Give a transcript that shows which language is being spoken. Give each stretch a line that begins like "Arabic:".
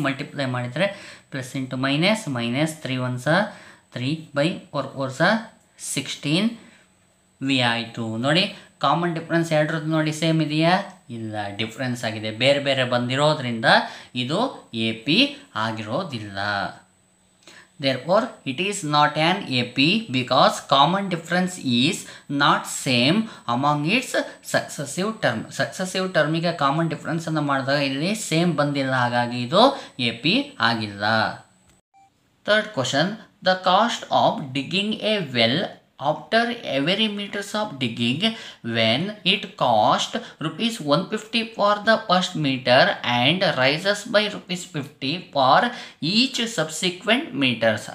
Kannada: Multiply ಮಾಡಿದರೆ plus into minus minus, 3/4 = 16 V ಆಯಿತು ನೋಡಿ. ಕಾಮನ್ ಡಿಫ್ರೆನ್ಸ್ ಎರಡರದ್ದು ನೋಡಿ ಸೇಮ್ ಇದೆಯಾ, ಇಲ್ಲ ಡಿಫ್ರೆನ್ಸ್ ಆಗಿದೆ, ಬೇರೆ ಬೇರೆ ಬಂದಿರೋದ್ರಿಂದ ಇದು ಎ ಪಿ ಆಗಿರೋದಿಲ್ಲ.
English: Therefore, it is not an AP because common difference is not same among its successive term.
Kannada: Successive term ಗೆ ಕಾಮನ್ ಡಿಫ್ರೆನ್ಸ್ ಅನ್ನು ಮಾಡಿದಾಗ ಇಲ್ಲಿ ಸೇಮ್ ಬಂದಿಲ್ಲ, ಹಾಗಾಗಿ ಇದು ಎ ಪಿ ಆಗಿಲ್ಲ.
English: Third question, the cost of digging a well after every meters of digging when it cost rupees 150 for the first meter and rises by rupees 50 for each subsequent meters.